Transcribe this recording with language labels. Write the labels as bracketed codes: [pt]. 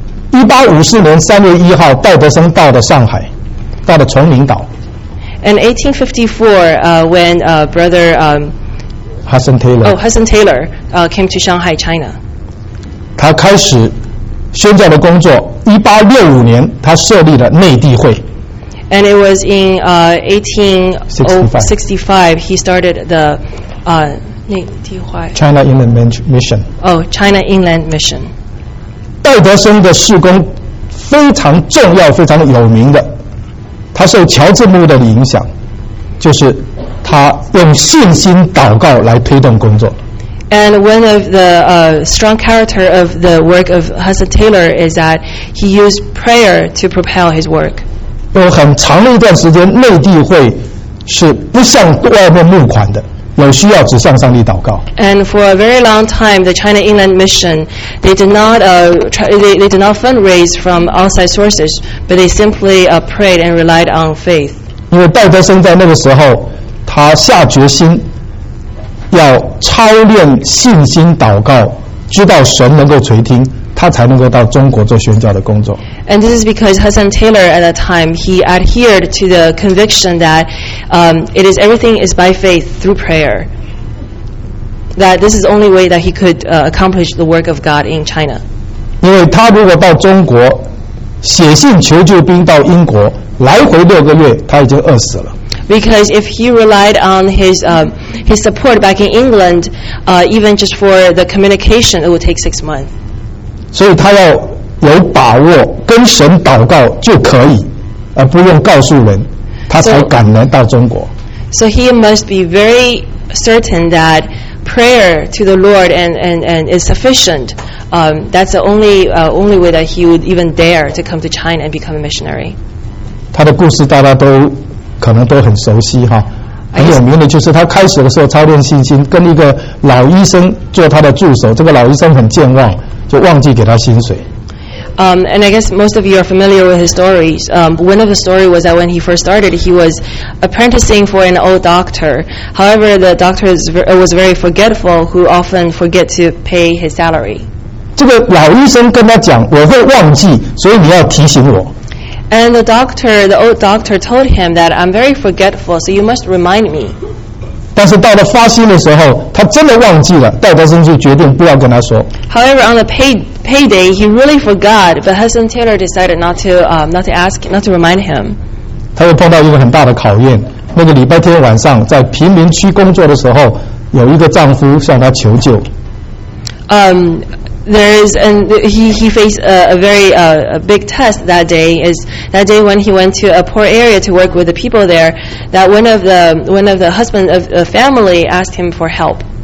[zh] 1854年3月1号，道德生到了上海，到了崇明岛。 [en] And 1854, when Brother Hudson Taylor came to Shanghai, China. [zh] 他开始。宣教的工作1865年他设立了内地会。 [en] And it was in 1865 he started the 内地会。 China Inland Mission. Oh, China Inland Mission. [zh] 戴德森的事工非常重要非常有名的。他受乔治牧的影响，就是他用信心祷告来推动工作。 [en] And one of the strong character of the work of Hudson Taylor is that he used prayer to propel his work. [zh] 有很长的一段时间，内地会是不向外面募款的，有需要只向上帝祷告。 [en] And for a very long time, the China Inland Mission, they did not fundraise from outside sources, but they simply prayed and relied on faith. [zh] 因为戴德生在那个时候，他下决心。要操练信心祷告，知道神能够垂听，他才能够到中国做宣教的工作。 [en] And this is because Hudson Taylor at that time he adhered to the conviction that, it is everything is by faith through prayer. That this is the only way that he could accomplish the work of God in China. [zh] 因为他如果到中国，写信求救兵到英国，来回六个月，他已经饿死了。 [en] Because if he relied on his support back in England, even just for the communication, it would take 6 months. [zh] 所以他要有把握跟神祷告就可以，而不用告诉人，他才敢来到中国。 [en] So he must be very certain that prayer to the Lord and is sufficient. That's the only way that he would even dare to come to China and become a missionary. [zh] 他的故事大家都。可能都很熟悉哈，很有名的就是他开始的时候操练信心，跟一个老医生做他的助手。这个老医生很健忘，就忘记给他薪水。 [en] And I guess most of you are familiar with his stories. One of the stories was that when he first started, he was apprenticing for an old doctor. However, the doctor was very forgetful, who often forget to pay his salary. [zh] 这个老医生跟他讲，我会忘记，所以你要提醒我。 [en] And the old doctor told him that I'm very forgetful, so you must remind me. [zh] 但是到了发薪的时候，他真的忘记了，戴德生就决定不要跟他说。 [en] However, on the payday, he really forgot, but Hudson Taylor decided not to remind him. [zh] 他又碰到一个很大的考验。那个礼拜天晚上，在贫民区工作的时候，有一个丈夫向他求救。 [en] He faced a very big test that day. Is that day when he went to a poor area to work with the people there? That one of the husband of the family asked him for help.